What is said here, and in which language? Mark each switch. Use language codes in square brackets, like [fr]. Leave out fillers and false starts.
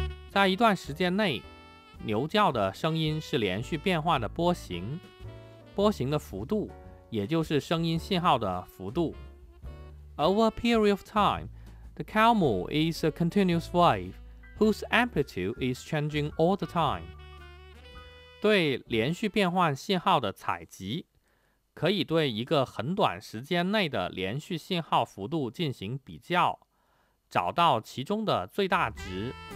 [zh] 在一段时间内，牛叫的声音是连续变化的波形，波形的幅度也就是声音信号的幅度。 [en] Over a period of time, the Kalmu is a continuous wave whose amplitude is changing all the time. [zh] 对连续变换信号的采集，可以对一个很短时间内的连续信号幅度进行比较，找到其中的最大值。